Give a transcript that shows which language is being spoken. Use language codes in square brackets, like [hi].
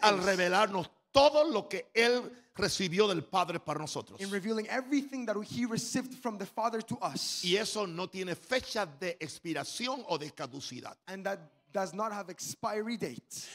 [es] al revelarnos todo lo que Él recibió del Padre para nosotros. [en] In revealing everything that He received from the Father to us. [es] Y eso no tiene fecha de expiración o de caducidad. [en] And that does not have expiry dates.